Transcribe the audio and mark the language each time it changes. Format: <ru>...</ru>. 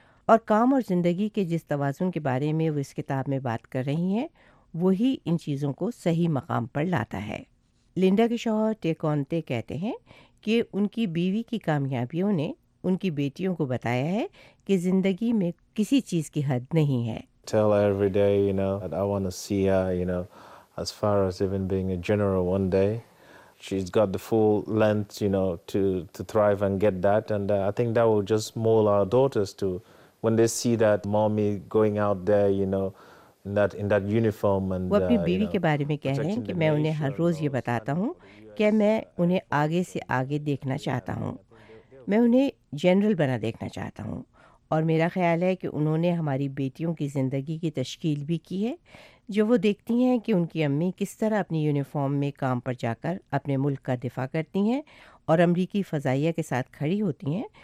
<ur>اور کام اور زندگی کے جس توازن کے بارے میں وہ اس کتاب میں بات کر رہی ہیں وہی ان چیزوں کو صحیح مقام پر لاتا ہے. لنڈا کے شوہر ٹیکونتے کہتے ہیں کہ ان کی بیوی کی کامیابیوں نے ان کی بیٹیوں کو بتایا ہے کہ زندگی میں کسی چیز کی حد نہیں ہے.</ur> <en>Tell her every day, you know, that I want to see her, you know, as far as even being a general one day. She's got the full length, you know, to thrive and get that. And I think that will just mold our daughters too. When they see that mommy going out there, you know, in that uniform and</en> <ur>وہ اپنی بیوی کے بارے میں کہہ رہے ہیں کہ میں انہیں ہر روز یہ بتاتا ہوں کہ میں انہیں آگے سے آگے دیکھنا چاہتا ہوں. میں انہیں جنرل بنا دیکھنا چاہتا ہوں. اور میرا خیال ہے کہ انہوں نے ہماری بیٹیوں کی زندگی کی تشکیل بھی کی ہے جو وہ دیکھتی ہیں کہ ان کی امی کس طرح اپنی یونیفارم میں کام پر جا کر اپنے ملک کا دفاع کرتی ہیں اور امریکی فضائیہ کے ساتھ کھڑی ہوتی ہیں.</ur>